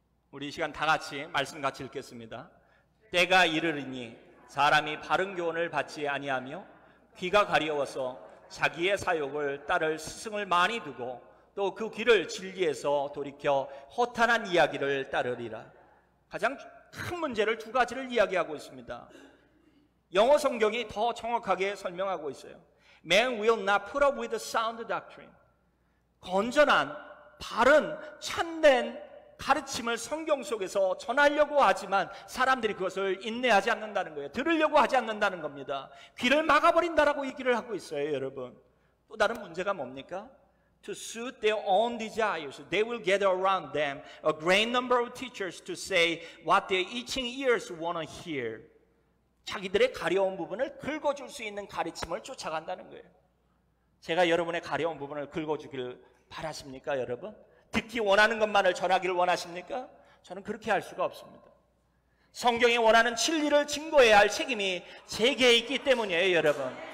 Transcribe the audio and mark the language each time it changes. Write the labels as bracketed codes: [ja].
[ko] 우리 이 시간 다 같이 말씀 같이 읽겠습니다. 때가 이르리니 사람이 바른 교훈을 받지 아니하며 귀가 가려워서 자기의 사욕을 따를 스승을 많이 두고 또 그 귀를 진리에서 돌이켜 허탄한 이야기를 따르리라. 가장 큰 문제를 두 가지를 이야기하고 있습니다. 영어 성경이 더 정확하게 설명하고 있어요. [en] Man will not put up with sound doctrine. [ko] 건전한, 바른, 참된 가르침을 성경 속에서 전하려고 하지만 사람들이 그것을 인내하지 않는다는 거예요. 들으려고 하지 않는다는 겁니다. 귀를 막아버린다라고 얘기를 하고 있어요, 여러분. 또 다른 문제가 뭡니까? [en] To suit their own desires, they will gather around them a great number of teachers to say what their itching ears want to hear. [ko] 자기들의 가려운 부분을 긁어줄 수 있는 가르침을 쫓아간다는 거예요. 제가 여러분의 가려운 부분을 긁어주길 바라십니까, 여러분? 듣기 원하는 것만을 전하기를 원하십니까? 저는 그렇게 할 수가 없습니다. 성경이 원하는 진리를 증거해야 할 책임이 제게 있기 때문이에요, 여러분.